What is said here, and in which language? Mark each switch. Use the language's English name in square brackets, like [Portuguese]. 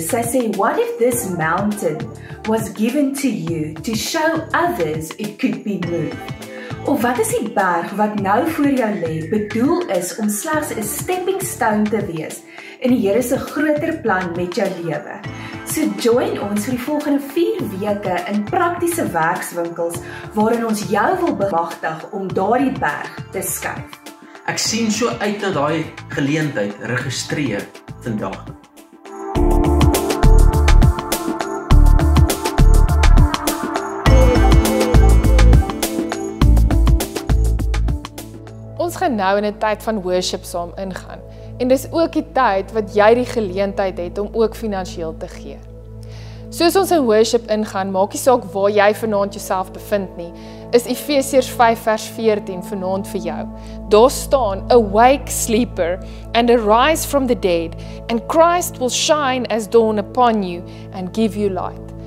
[Afrikaans] Sy sê, [English] "What if this mountain was given to you to show others it could be moved?" [Afrikaans] Of wat is die berg wat nou voor jou lê bedoel is om slegs 'n stepping stone te wees in die Here se groter plan met jou lewe. So join ons vir die volgende 4 weke in praktiese werkswinkels waarin ons jou wil bemagtig om daardie berg te skuif. Ek sien so uit na daai geleentheid, registreer vandag. Ons gaan nou in 'n tyd van worship saam ingaan. En dis ook die tyd wat jy die geleentheid het om ook finansiëel te gee. Soos ons in worship ingaan, maak nie saak waar jy vanaand jouself bevind nie, is Efesiërs 5 vers 14 vanaand vir jou. Daar staan, [English] "Awake sleeper and arise from the dead, and Christ will shine as dawn upon you and give you light."